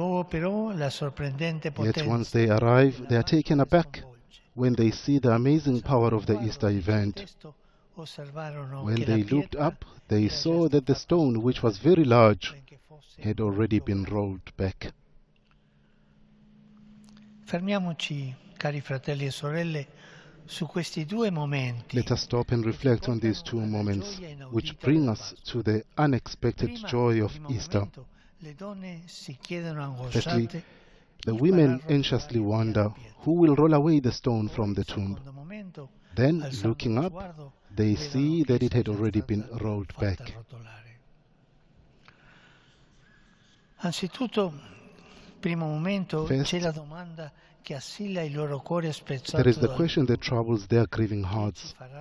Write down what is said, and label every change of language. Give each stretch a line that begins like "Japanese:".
English: Yet once they arrive, they are taken aback when they see the amazing power of the Easter event. When they looked up, they saw that the stone, which was very large, had already been rolled back.
Italian: Fermiamoci, cari fratelli e sorelle, su questi due momenti.
English: Let us stop and reflect on these two moments, which bring us to the unexpected joy of Easter. Firstly, the women anxiously wonder who will roll away the stone from the tomb. Then, looking up, they see that it had already been rolled back.
Italian: Anzitutto, primo momento, c'è la domanda che assilla il loro cuore spezzato.
English: There is the question that troubles their grieving hearts.